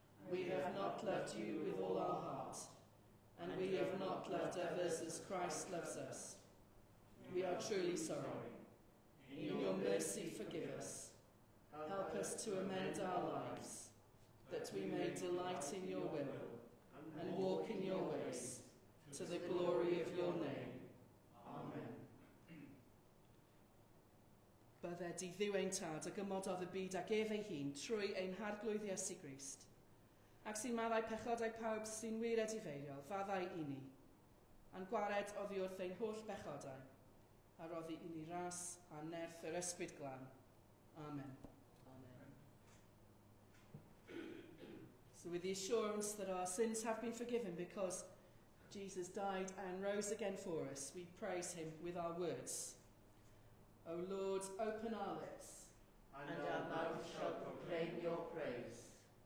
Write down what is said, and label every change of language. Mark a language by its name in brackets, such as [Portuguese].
[English] We have not loved you with all our heart, and we have not loved others as Christ loves us. We are truly sorry. In your mercy forgive us. Help us to amend our lives, that we may delight in your will and walk in your ways, to the glory of your name. Amen. [Welsh] Bydde di ddiw ein tad a gymododd y byd ag ef ei hun trwy ein harglwydd Iesu Grist, ac sy'n maddau pechodau pawb sy'n wir edifeiriol, faddau i ni, a'n gwared oddi wrth ein holl pechodau, a roddi i ni ras a nerth yr ysbryd glan. [English] Amen. So with the assurance that our sins have been forgiven because Jesus died and rose again for us, we praise him with our words. O Lord, open our lips, and our mouth shall proclaim your praise.